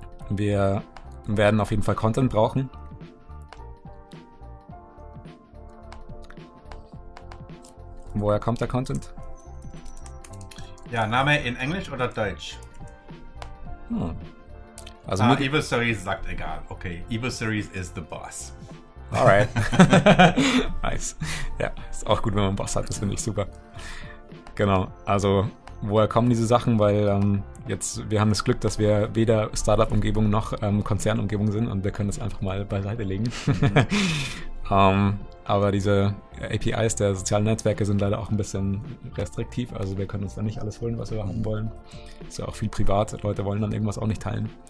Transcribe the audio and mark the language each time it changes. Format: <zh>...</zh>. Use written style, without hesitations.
<de>Wir werden auf jeden Fall Content brauchen. Woher kommt der Content? Ja, Name in Englisch oder Deutsch? Also Evil Series sagt egal.</de> <en>Okay, Evil Series is the boss. Alright. Nice.</en> <de>Ja, ist auch gut, wenn man Boss hat, das finde ich super. Genau, also woher kommen diese Sachen, weil jetzt wir haben das Glück, dass wir weder Startup-Umgebung noch Konzernumgebung sind und wir können das einfach mal beiseite legen. aber diese APIs der sozialen Netzwerke sind leider auch ein bisschen restriktiv, also wir können uns da nicht alles holen, was wir haben wollen. Ist ja auch viel privat, Leute wollen dann irgendwas auch nicht teilen.</de>